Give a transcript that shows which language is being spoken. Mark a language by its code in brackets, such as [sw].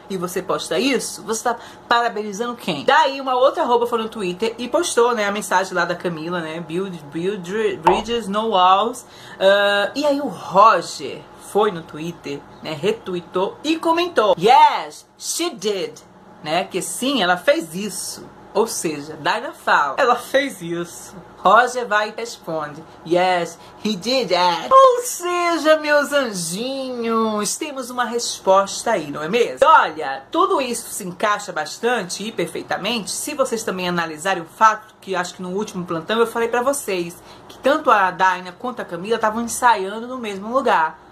[pt] E você posta isso, você tá parabenizando quem? Daí uma outra arroba foi no Twitter e postou, né, a mensagem lá da Camila, né, [en] build bridges, no walls. [pt] E aí o Roger foi no Twitter, né, retweetou e comentou, [en] yes, she did, [pt] né, que sim, ela fez isso. Ou seja, Dina fala, ela fez isso. Roger vai e responde, [en] yes, he did that. [pt] Ou seja, meus anjinhos, temos uma resposta aí, não é mesmo? E olha, tudo isso se encaixa bastante e perfeitamente se vocês também analisarem o fato que acho que no último plantão eu falei pra vocês que tanto a Dina quanto a Camila estavam ensaiando no mesmo lugar.